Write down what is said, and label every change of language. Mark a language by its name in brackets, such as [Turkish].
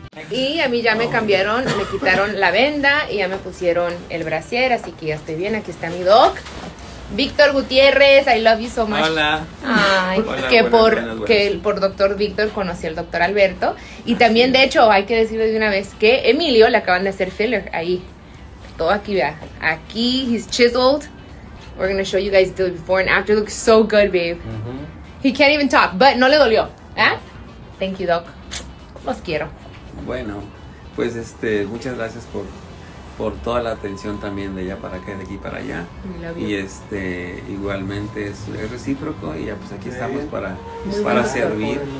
[Spanish] Y a mí ya me cambiaron, me quitaron la venda y ya me pusieron el brasier, así que ya estoy bien, aquí está mi doc. [English] Víctor Gutiérrez, I love you so much. [Spanish] Hola. Ay, hola, que buenas, por buenas. Que por doctor Víctor conocí al doctor Alberto. Y así también, de hecho, hay que decirle de una vez que Emilio le acaban de hacer filler ahí. Todo aquí, vea. Aquí, [English] he's chiseled. We're going to show you guys the before and after. Looks so good, babe. Uh-huh. He can't even talk, but [Spanish] no le dolió. ¿Eh? [English] Thank you, doc. [Spanish] Los quiero. Bueno, pues muchas gracias por toda la atención también de allá para acá, de aquí para allá. Y igualmente es recíproco y ya pues aquí estamos para servir.